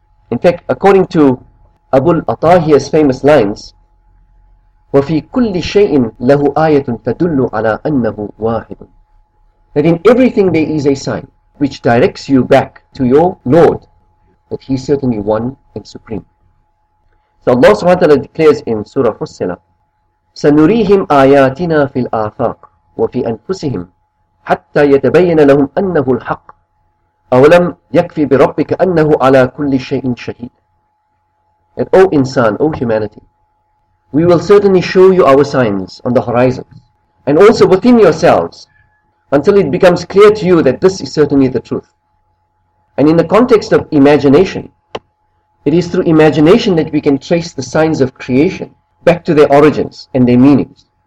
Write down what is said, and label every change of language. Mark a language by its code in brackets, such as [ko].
[en] In fact, according to Abul Atahiyah's famous lines, [ar] وَفِي كُلِّ شَيْءٍ لَهُ آيَةٌ تَدُلُّ عَلَىٰ أَنَّهُ وَاحِدٌ, [en] that in everything there is a sign which directs you back to your Lord, that He is certainly one and supreme. So Allah subhanahu wa ta'ala declares in Surah Fussilat, [ar] سَنُرِيهِمْ آيَاتِنَا فِي الْآفَاقِ وَفِي أَنفُسِهِمْ حَتَّى يَتَبَيَّنَ لَهُمْ أَنَّهُ الْحَقِّ أَوَلَمْ يَكْفِي بِرَبِّكَ أَنَّهُ عَلَىٰ كُلِّ شَيْءٍ شَهِيدٌ. [en] And O insan, O humanity, we will certainly show you our signs on the horizon and also within yourselves until it becomes clear to you that this is certainly the truth. And in the context of imagination, it is through imagination that we can trace the signs of creation back to their origins and their meanings.